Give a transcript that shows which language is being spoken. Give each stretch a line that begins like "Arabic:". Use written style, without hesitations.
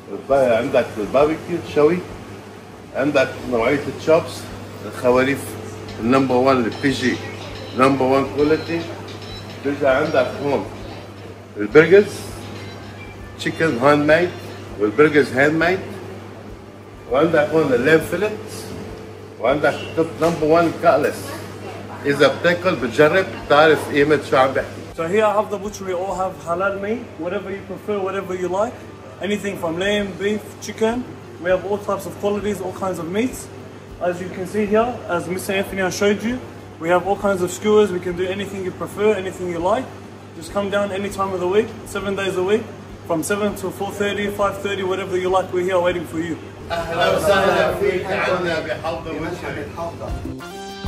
Arabic: عندك الباربيكيو الشوي عندك نوعيه التشوبس الخواريف النمبر 1 البيجي نمبر 1 كواليتي. بيجي عندك هون البرجرز تشيكن هاند ميد والبرجرز هاند ميد. وعندك هون اللام فيلت وعندك التوب نمبر 1 كاتلس. إذا بتاكل بتجرب تعرف قيمة شو عم بحكي.
English: So here I have the butchery, all have halal meat, whatever you prefer, whatever you like. Anything from lamb, beef, chicken. We have all types of qualities, all kinds of meats. As you can see here, as Mr. Anthony showed you, we have all kinds of skewers. We can do anything you prefer, anything you like. Just come down any time of the week, 7 days a week, from 7 to 4:30, 5:30, whatever you like, we're here waiting for you.
Arabic: أهلا وسهلا فيك عنا بحافظة butchery.